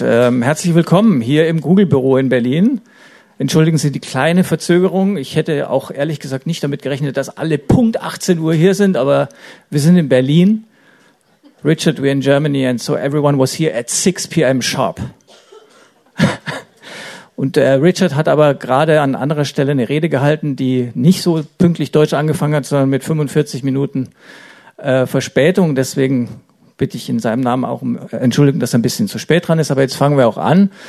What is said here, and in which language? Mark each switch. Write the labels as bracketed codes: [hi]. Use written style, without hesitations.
[de] Herzlich willkommen hier im Google-Büro in Berlin. Entschuldigen Sie die kleine Verzögerung. Ich hätte auch ehrlich gesagt nicht damit gerechnet, dass alle Punkt 18 Uhr hier sind, aber wir sind in Berlin. [en] Richard, we're in Germany and so everyone was here at 6 p.m. sharp. [de] Und Richard hat aber gerade an anderer Stelle eine Rede gehalten, die nicht so pünktlich Deutsch angefangen hat, sondern mit 45 Minuten Verspätung. Deswegen bitte ich in seinem Namen auch um Entschuldigung, dass er ein bisschen zu spät dran ist. Aber jetzt fangen wir auch an.